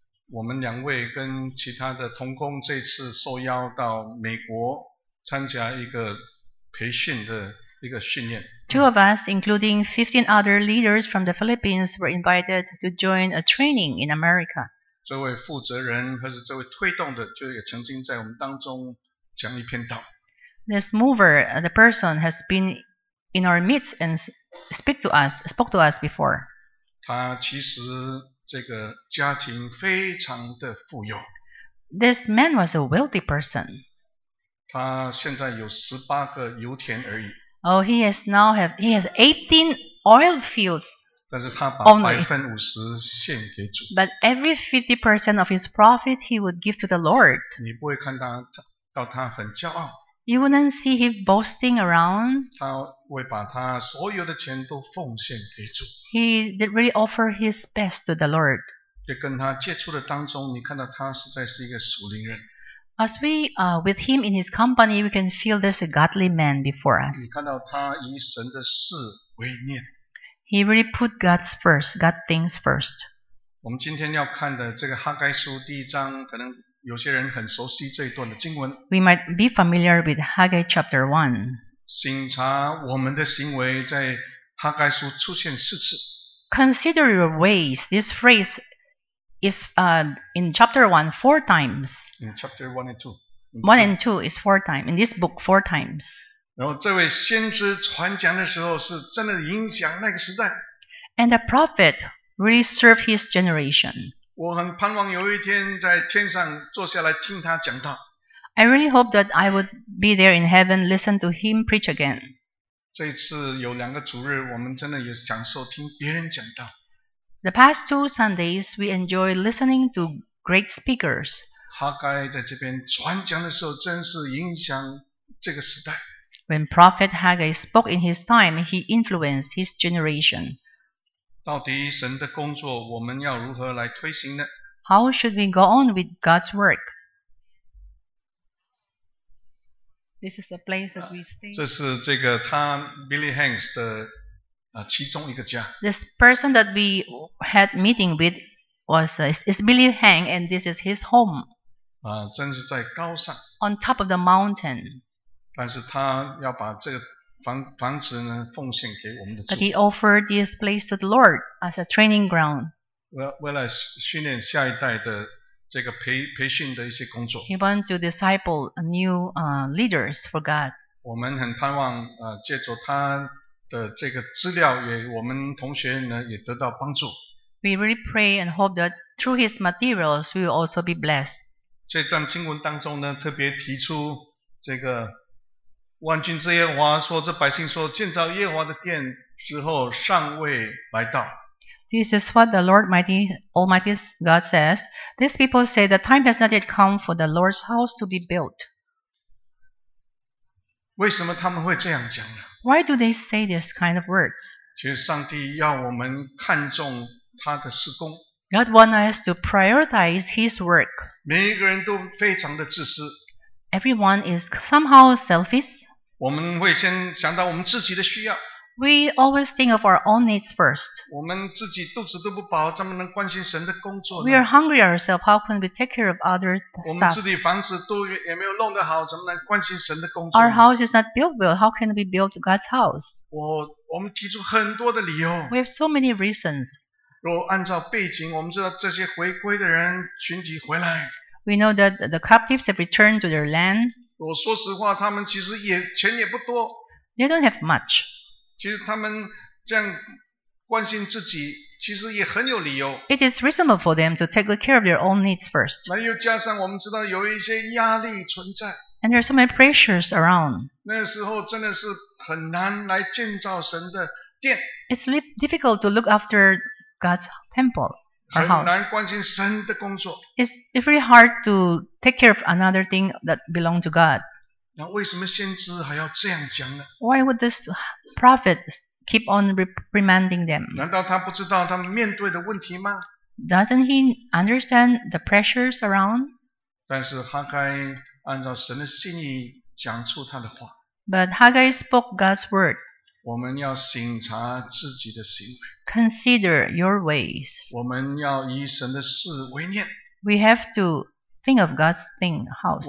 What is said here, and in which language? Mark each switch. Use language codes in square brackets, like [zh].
[zh] 我们两位跟其他的同工这次受邀到美国参加一个培训的一个训练。 [en] Two of us, including 15 other leaders from the Philippines, were invited to join a training in America. [zh] 这位负责人或是这位推动的就也曾经在我们当中讲一篇道。 [en] This mover, the person, has been in our midst and spoke to us before. [zh] 他其实这个家庭非常的富有。 [en] This man was a wealthy person. [zh] 他现在有18个油田而已。 [en] Oh, he has 18 oil fields. [zh] 但是他把50%献给主。 [en] But every 50% of his profit he would give to the Lord. [zh] 你不会看到他很骄傲。 [en] You wouldn't see him boasting around. [zh] 他会把他所有的钱都奉献给主。 [en] He did really offer his best to the Lord. [zh] 就跟他接触的当中，你看到他实在是一个属灵人。 [en] As we with him in his company, we can feel there's a godly man before us. [zh] 你看到他以神的事为念。 [en] He really put God's first, God things first. [zh] 我们今天要看的这个哈该书第一章，可能有些人很熟悉这一段的经文。 [en] We might be familiar with Haggai chapter 1. [zh] 省察我们的行为在哈该书出现四次。 [en] Consider your ways. This phrase is in chapter 1 four times. In chapter 1 and 2. 1 and 2 is four times. In this book, four times. [zh] 然后这位先知传讲的时候是真的影响那个时代。 [en] And the prophet really served his generation. [zh] 我很盼望有一天在天上坐下来听他讲道。 [en] I really hope that I would be there in heaven, listen to him preach again. [zh] 这一次有两个主日，我们真的也享受听别人讲道。 [en] The past two Sundays, we enjoy listening to great speakers. [zh] 哈该在这边传讲的时候，真是影响这个时代。 [en] When Prophet Haggai spoke in his time, he influenced his generation. [zh] 到底神的工作，我们要如何来推行呢？ [en] How should we go on with God's work? This is the place that we stay. [zh] 这是这个他 Billy Hanks 的其中一个家。 [en] This person that we had meeting with is Billy Hank, and this is his home. [zh] 真是在高上。 [en] On top of the mountain. [zh] 但是他要把这个房子呢奉献给我们的主。 [en] But he offered this place to the Lord as a training ground. [zh] 为了训练下一代的这个培训的一些工作。 [en] He wanted to disciple new leaders for God. [zh] 我们很盼望借助他的这个资料，也我们同学呢也得到帮助。 [en] We really pray and hope that through his materials we will also be blessed. [zh] 这段经文当中呢，特别提出这个万军之耶和华说，这百姓说建造耶和华的殿时候尚未来到。 [en] This is what the Lord Almighty God says. These people say the time has not yet come for the Lord's house to be built. [zh] 为什么他们会这样讲呢？ [en] Why do they say this kind of words? [zh] 其实上帝要我们看重他的事工。 [en] God wants us to prioritize his work. [zh] 每一个人都非常的自私。 [en] Everyone is somehow selfish. [zh] 我们会先想到我们自己的需要。 [en] We always think of our own needs first. [zh] 我们自己肚子都不饱，怎么能关心神的工作呢？ [en] We are hungry ourselves, how can we take care of other stuff? [zh] 我们自己房子都也没有弄得好，怎么能关心神的工作呢？ [en] Our house is not built well, how can we build God's house? [zh] 我们提出很多的理由。 [en] We have so many reasons. [zh] 如果按照背景，我们知道这些回归的人群体回来。 [en] We know that the captives have returned to their land. [zh] 我说实话，他们其实也钱也不多。 [en] They don't have much. [zh] 其实他们这样关心自己，其实也很有理由。 [en] It is reasonable for them to take care of their own needs first. [zh] 那又加上我们知道有一些压力存在。 [en] And there are so many pressures around. [zh] 那时候真的是很难来建造神的殿。 [en] It's difficult to look after God's temple or house. [zh] 很难关心神的工作。 [en] It's very hard to take care of another thing that belongs to God. [zh] 那为什么先知还要这样讲呢？ [en] Why would this prophet keep on reprimanding them? [zh] 难道他不知道他们面对的问题吗？ [en] Doesn't he understand the pressures around? [zh] 但是哈该按照神的心意讲出他的话。 [en] But Haggai spoke God's word. [zh] 我们要省察自己的行为。 [en] Consider your ways. [zh] 我们要以神的事为念。 [en] We have to think of God's thing, house.